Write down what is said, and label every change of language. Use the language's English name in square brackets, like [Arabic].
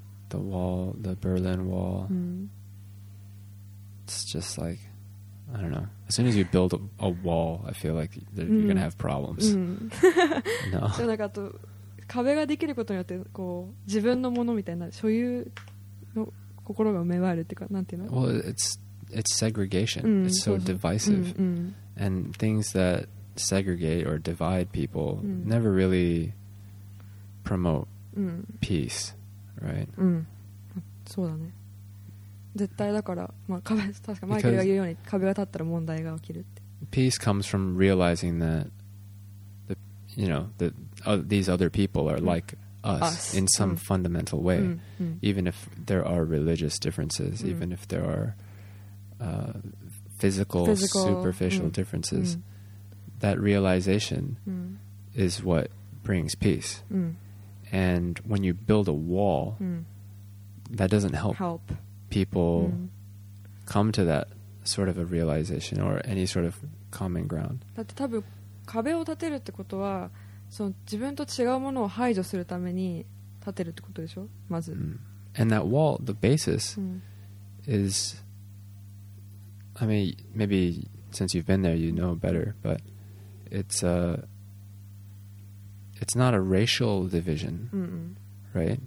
[English] The wall, the Berlin Wall. It's just like, I don't know. As soon as you build a wall, I feel like you're gonna have problems. No. [Japanese] じゃなんかと壁ができることによってこう自分のものみたいな所有の心が芽生えるっていうか、なんていうの。 [English] Well, it's segregation. It's so divisive. And things that segregate or divide people never really promote peace, right? [Japanese] そうだね。絶対だから、まあ、壁、確かマイケルが言うように壁が立ったら問題が起きるって。 [English] Peace comes from realizing that the, you know, that these other people are like us in some fundamental way. Even if there are religious differences, even if there are physical superficial differences, that realization is what brings peace. And when you build a wall, that doesn't help people come to that sort of a realization or any sort of common ground. [Japanese] だって多分壁を建てるってことは、その自分と違うものを排除するために建てるってことでしょ、まず。 [English] And that wall, the basis, is... I mean, maybe since you've been there, you know better, but it's not a racial division, right?